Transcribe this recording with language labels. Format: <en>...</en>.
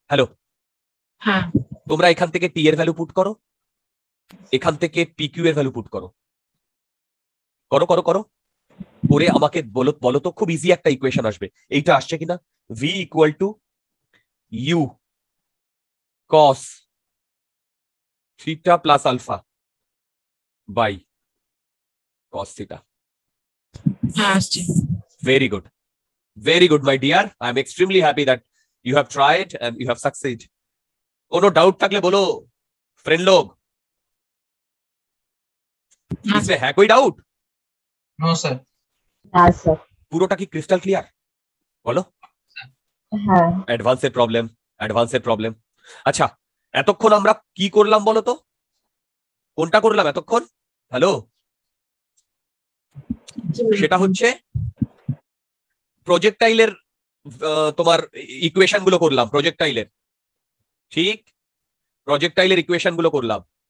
<bn>Hello, তোমরা এখান থেকে টি এর ভ্যালু পুট করো, এখান থেকে পি কিউ এর ভ্যালু পুট করো, করো করো করো, পরে আমাকে বলো, বলো তো, খুব ইজি একটা ইকুয়েশন আসবে, এইটা আসছে কিনা, V equal to you cos theta plus alpha by cos theta, আসছে,</bn> <en>very good, very good my dear, I am extremely happy that you have tried and you have succeed,</en> <bn>কোনো doubt থাকলে বলো,</bn> <hi>friend लोग इसमें है कोई doubt? No sir. हां sir पूरा की क्रिस्टल क्लियर बोलो। हां</hi> <en>Advance problem advance problem.</en> <bn>अच्छा এতক্ষণ আমরা কি করলাম বলো তো, কোনটা করলাম এতক্ষণ? হ্যালো, সেটা হচ্ছে প্রজেক্টাইলের তোমার ইকুয়েশন গুলো করলাম, প্রজেক্টাইলের, ঠিক, প্রজেক্টাইলের ইকুয়েশন গুলো করলাম।</bn>